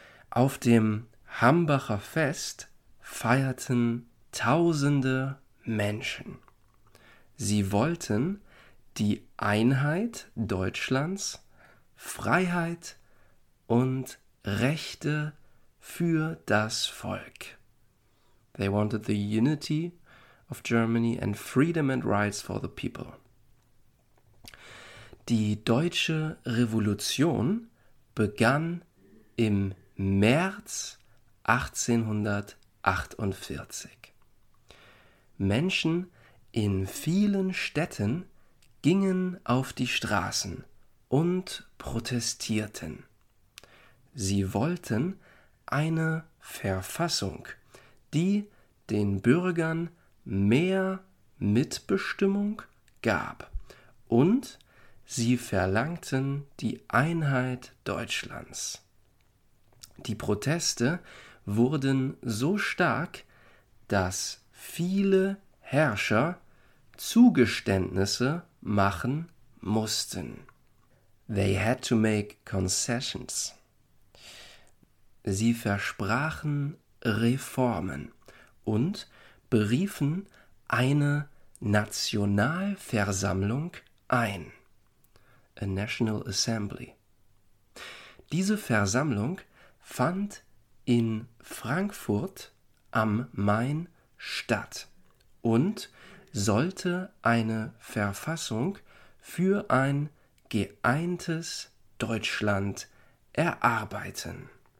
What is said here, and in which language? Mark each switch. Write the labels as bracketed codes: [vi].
[de] Auf dem Hambacher Fest feierten tausende Menschen. Sie wollten die Einheit Deutschlands, Freiheit und Rechte für das Volk. [en] They wanted the unity of Germany and freedom and rights for the people. [de] Die deutsche Revolution begann im März 1848. Menschen in vielen Städten gingen auf die Straßen und protestierten. Sie wollten eine Verfassung, die den Bürgern mehr Mitbestimmung gab, und sie verlangten die Einheit Deutschlands. Die Proteste wurden so stark, dass viele Herrscher Zugeständnisse machen mussten. [en] They had to make concessions. [de] Sie versprachen Reformen und beriefen eine Nationalversammlung ein. [en] A National Assembly. [de] Diese Versammlung fand in Frankfurt am Main statt und sollte eine Verfassung für ein geeintes Deutschland erarbeiten.